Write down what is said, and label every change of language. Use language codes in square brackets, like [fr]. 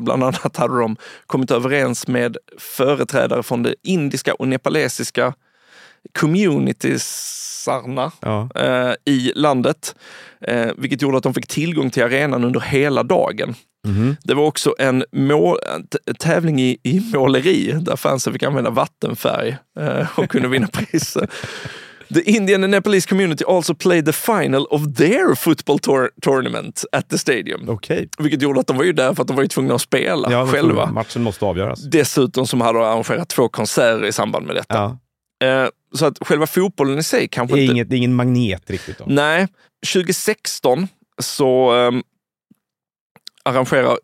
[sv] Bland annat hade de kommit överens med företrädare från det indiska och nepalesiska communitiesarna i landet. Vilket gjorde att de fick tillgång till arenan under hela dagen. Mm-hmm. Det var också en tävling i måleri där fansen fick använda vattenfärg och kunde vinna priser. [en] The Indian and Nepalese community also played the final of their football tournament at the stadium. [sv] Okay. Vilket gjorde att de var ju där för att de var ju tvungna att spela själva. Matchen måste avgöras. Dessutom som hade arrangerat två konserter i samband med detta. Ja. Så att själva fotbollen i sig kanske inte... Det är ingen magnet riktigt då. Nej. 2016 så arrangerar...